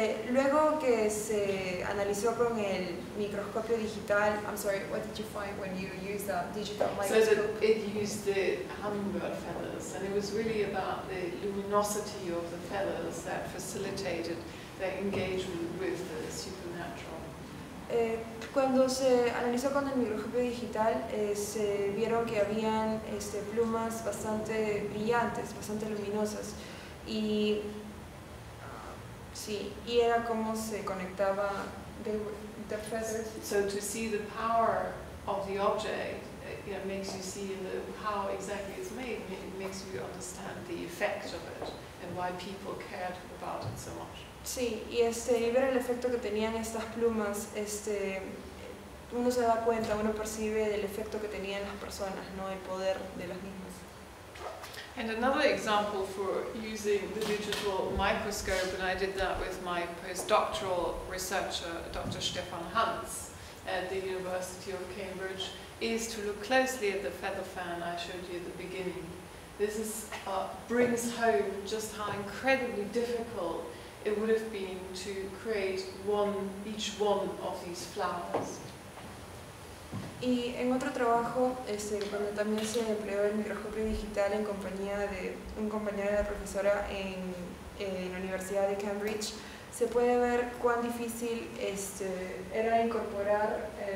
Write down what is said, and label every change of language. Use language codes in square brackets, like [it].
[es] Luego que se analizó con el microscopio digital, [en] I'm sorry, what did you find when you used a digital microscope? So it used the hummingbird feathers, and it was really about the luminosity of the feathers that facilitated their engagement with the supernatural. [es] Cuando se analizó con el microscopio digital, se vieron que habían plumas bastante brillantes, bastante luminosas, y sí, y era como se conectaba [en] the feathers. So to see the power of the object, makes you see how exactly it's made, it makes you understand the effect of it and why people cared about it so much. [es] Sí, y ver el efecto que tenían estas plumas, uno se da cuenta, uno percibe del efecto que tenían las personas, no el poder de las mismas. [en] And another example for using the digital microscope, and I did that with my postdoctoral researcher, Dr. Stefan Hans, at the University of Cambridge, is to look closely at the feather fan I showed you at the beginning. This is, brings home just how incredibly difficult it would have been to create each one of these flowers. [es] Y en otro trabajo, cuando también se empleó el microscopio digital en compañía de un compañero de la profesora en la Universidad de Cambridge, se puede ver cuán difícil era incorporar,